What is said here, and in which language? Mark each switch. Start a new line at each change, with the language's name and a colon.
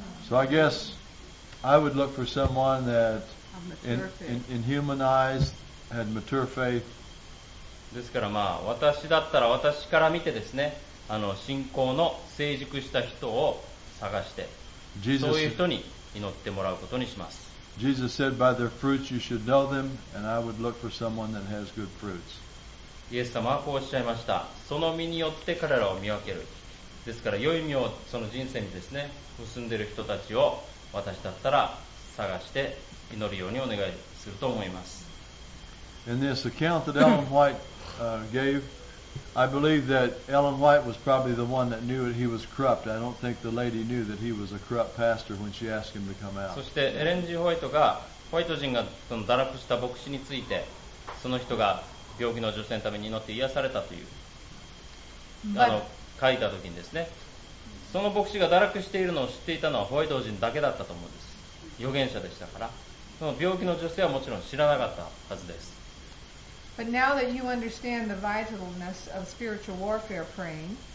English: So I guess I would look for someone that in human eyes had mature faith.
Japanese: ですから、まあ私だったら私から見てですね、あの信仰の成熟した人を探して、そういう人に祈ってもらうことにします。
English: Jesus said, by their fruits you should know them, and I would look for someone that has good fruits.
Japanese: イエス様はこうおっしゃいました。その実によって彼らを見分ける。ですから良い実をその人生にですね結んでいる人たちを私だったら探して祈るようにお願いすると思います。
English: In this account that Ellen White gave,I believe that Ellen White was probably the one that knew that he was corrupt. I don't think the lady knew that he was a corrupt pastor when she asked him to come out.
Japanese: そしてエレン G. ホワイトが、ホワイト人がその堕落した牧師について、その人が病気の女性のために祈って癒されたという書いた時にですね、その牧師が堕落しているのを知っていたのはホワイト人だけだったと思うんです。預言者でしたから、その病気の女性はもちろん知らなかったはずです。
English: But now that you understand the vitalness of spiritual warfare praying,